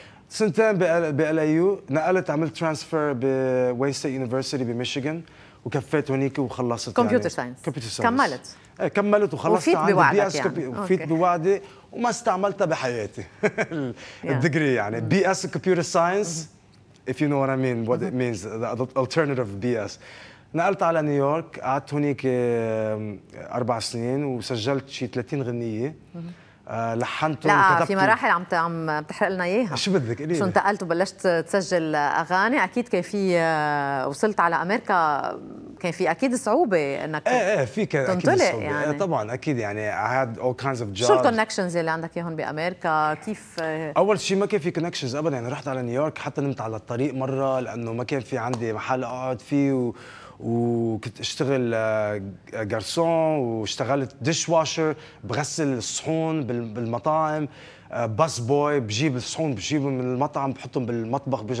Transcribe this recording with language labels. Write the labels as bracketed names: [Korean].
[Arabic] سنتين بالاليو نقلت، عملت ترانسفير بوين ستيت يونيفرسيتي بميشيغان، وكفيت هونيك وخلصت [English] Computer science. Computer science [Arabic] كملت. كملت وخلصت، وفيت بوعدك يعني. وفيت بوعدي وما استعملتها بحياتي الدجري يعني. [English] B S computer science, if you know what I mean, what it means, the alternative BS. [Arabic] نقلت على نيويورك، قعدت هناك 4 سنين وسجلت شي 30 غنية. لحنت وكتبت. لا، في مراحل عم بتحرق لنا اياها. شو بدك؟ شو انتقلت وبلشت تسجل اغاني؟ اكيد كان في، وصلت على امريكا كان في اكيد صعوبه انك في كان تنطلق اكيد صعوبه يعني. طبعا اكيد يعني [English] I had all kinds of jobs. [Arabic] شو الكونكشنز اللي عندك هون بامريكا؟ كيف اول شيء ما كان في كونكشنز ابدا يعني. رحت على نيويورك حتى نمت على الطريق مره، لانه ما كان في عندي محل اقعد فيه، وكنت اشتغل جارسون، واشتغلت ديش واشر، بغسل الصحون بالمطاعم، باس بوي، بجيب الصحون بجيبهم من المطعم بحطهم بالمطبخ.